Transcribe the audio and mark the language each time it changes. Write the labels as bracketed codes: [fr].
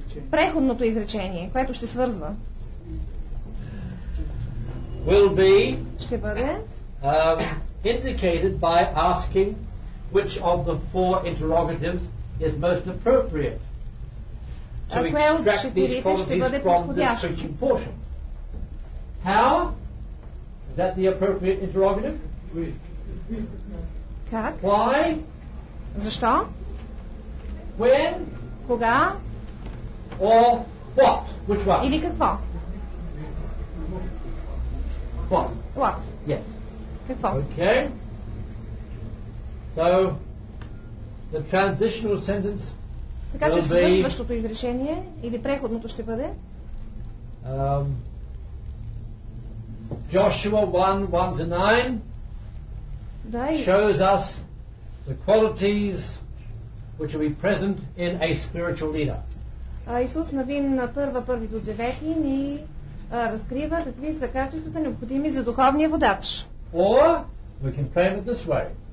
[bg] преходното изречение, което ще свързва. [en] Will be, [bg] ще бъде [en] indicated by asking which of the four interrogatives is most appropriate to extract these qualities from this preaching portion. How? Is that the appropriate interrogative? [bg] Как? [en] Why? [bg] Защо? [en] When? [bg] Кога? [en] Or what? Which one? [bg] Или какво? [en] What? What? Yes. [bg] Какво? [en] Okay. So the transitional sentence. [bg] Така че свързващото изречение или преходното ще бъде. [en] Joshua 1:1-9 [bg] Дай. [en] Shows us the qualities which will be present in a spiritual leader. [bg] Исус Навин на 1:1-9 ни разкрива какви са качествата необходими за духовния водач. [en] Or we can frame it this way.